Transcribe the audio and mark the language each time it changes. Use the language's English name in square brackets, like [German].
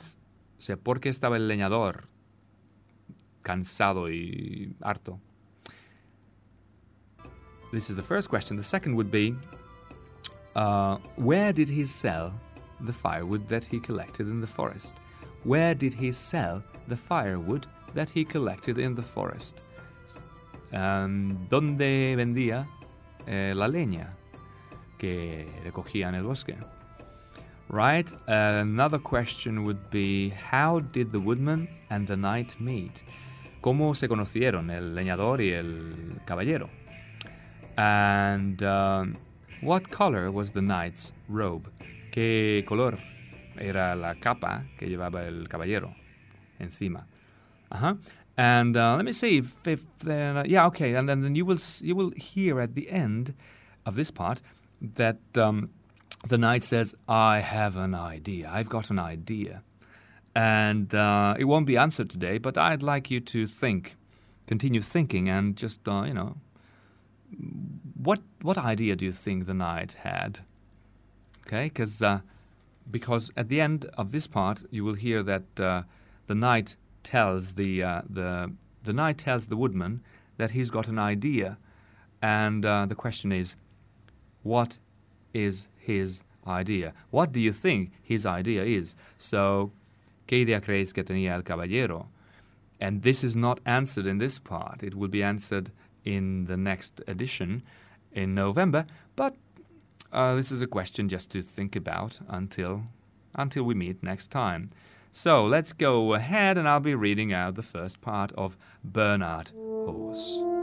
[Spanish] O sea, ¿por qué estaba el leñador cansado y harto? [English] This is the first question. The second would be, where did he sell the firewood that he collected in the forest? Where did he sell the firewood that he collected in the forest? [Spanish] ¿Dónde vendía la leña que recogía en el bosque? [English] Right? Another question would be, how did the woodman and the knight meet? [Spanish] ¿Cómo se conocieron el leñador y el caballero? [English] And what color was the knight's robe? [Spanish] ¿Qué color era la capa que llevaba el caballero encima? [English] Uh-huh. And let me see if, okay. And then you will hear at the end of this part that the knight says, I have an idea. I've got an idea. And it won't be answered today, but I'd like you to think, continue thinking and just, you know, What idea do you think the knight had? Okay, because at the end of this part you will hear that the knight tells the woodman that he's got an idea, and the question is, what is his idea? What do you think his idea is? [Spanish] So, ¿qué idea crees que tenía el caballero? [English] And this is not answered in this part. It will be answered in the next edition in November, but this is a question just to think about until we meet next time. So let's go ahead, and I'll be reading out the first part of Bernard Horse.